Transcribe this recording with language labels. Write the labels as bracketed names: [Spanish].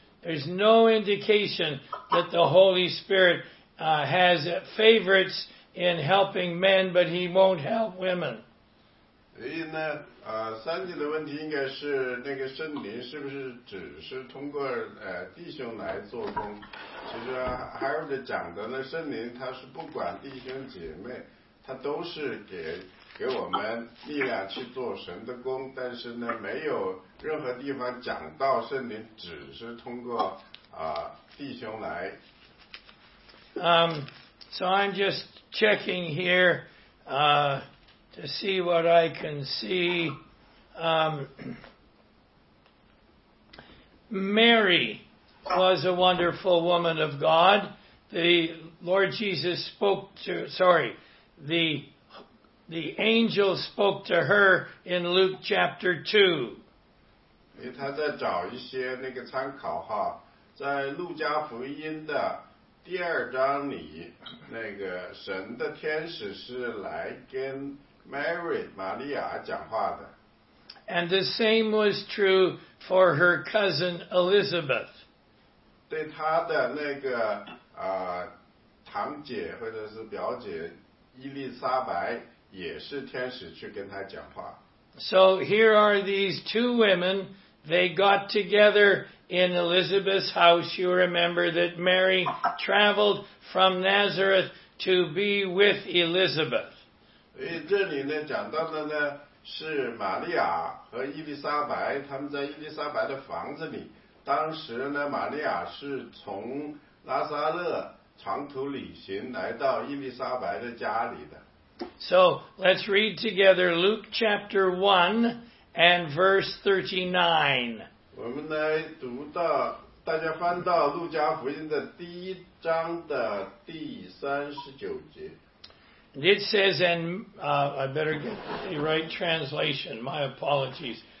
[English] There's no indication that the Holy Spirit has favorites in helping men, but he won't help women. [Chinese] 所以呢，三姐的问题应该是那个圣灵是不是只是通过弟兄来做工？其实 Harold 讲的呢，圣灵他是不管弟兄姐妹，他都是给我们力量去做神的工，但是呢，没有任何地方讲到圣灵只是通过弟兄来。 [English] So I'm just checking here to see what I can see. Mary was a wonderful woman of God. The Lord Jesus spoke to, sorry, the. The angel spoke to her in Luke chapter 2. [Chinese] 因为他在找一些那个参考哈，在路加福音的第二章里，那个神的天使是来跟 Mary 玛利亚讲话的。 [English] And the same was true for her cousin Elizabeth. [Chinese] 对她的那个堂姐或者是表姐伊丽莎白也是天使去跟她讲话。 [English] So here are these two women. They got together in Elizabeth's house. You remember that Mary traveled from Nazareth to be with Elizabeth. [Chinese] 这里呢讲到的呢是玛利亚和伊丽莎白他们在伊丽莎白的房子里当时呢玛利亚是从拉撒勒长途旅行来到伊丽莎白的家里的。 [English] So let's read together Luke chapter 1 and verse 39. [Chinese] 我们来读到大家翻到路加福音的第一章的第39节。 [English] And it says, and I better get the right translation, my apologies.